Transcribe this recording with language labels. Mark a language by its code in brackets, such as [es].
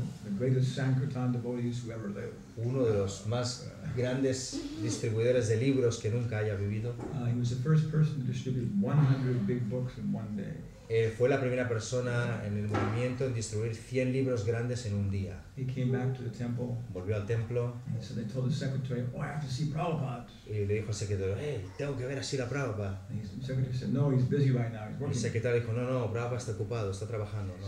[en] the greatest Sankirtan devotees who ever lived. [es] Uno de los más grandes distribuidores de libros que nunca haya vivido. [en] He was the first person to distribute 100 big books in one day. [es] Fue la primera persona en el movimiento en distribuir 100 libros grandes en un día. [en] He came back to the temple. [es] Volvió al templo. [en] And so they told the secretary, "Oh, I have to see Prabhupada." [es] Y le dijo al secretario, "Hey, tengo que ver a Srila Prabhupada." [en] And the secretary said, "No, he's busy right now. He's working." [es] El secretario dijo, "No, Prabhupada está ocupado, está trabajando, ¿no?"